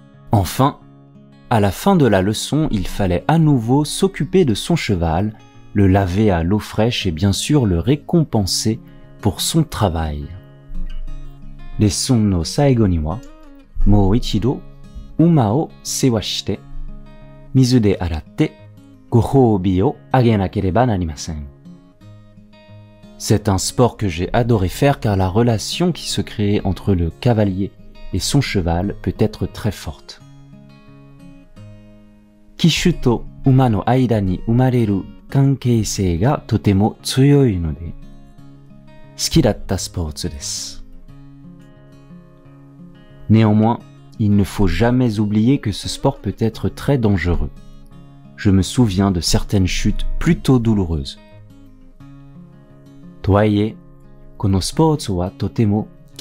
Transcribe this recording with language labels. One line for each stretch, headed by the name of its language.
French: Enfin, à la fin de la leçon, il fallait à nouveau s'occuper de son cheval, le laver à l'eau fraîche et bien sûr le récompenser pour son travail.
Japanese: レッスンの最後には、もう一度、馬を世話して、水で洗って、ご褒美をあげなければなりません。
French: C'est un sport que j'ai adoré faire car la relation qui se crée entre le cavalier et son cheval peut être très forte.
Japanese: 騎手と馬の間に生まれる関係性がとても強いので、好きだったスポーツです。
French: Néanmoins, il ne faut jamais oublier que ce sport peut être très dangereux. Je me souviens de certaines chutes plutôt douloureuses.
Japanese: とはいえ、このスポーツはとても危